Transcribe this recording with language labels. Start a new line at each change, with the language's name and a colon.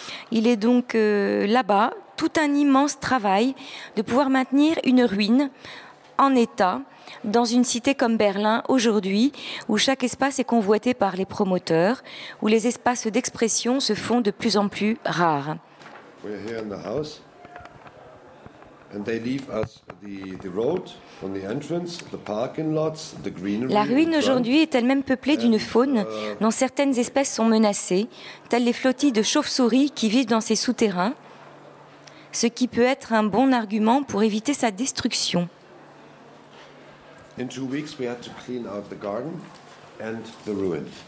French: Il est donc là-bas tout un immense travail de pouvoir maintenir une ruine en état dans une cité comme Berlin aujourd'hui, où chaque espace est convoité par les promoteurs, où les espaces d'expression se font de plus en plus rares.
English: We're here in the house. And they leave us the road on the entrance, the parking lots, the greenery.
French: La ruine aujourd'hui est elle-même peuplée d'une faune dont certaines espèces sont menacées, telles les flottilles de chauves-souris qui vivent dans ces souterrains, ce qui peut être un bon argument pour éviter sa destruction.
English: In 2 weeks we had to clean out the garden and the ruin.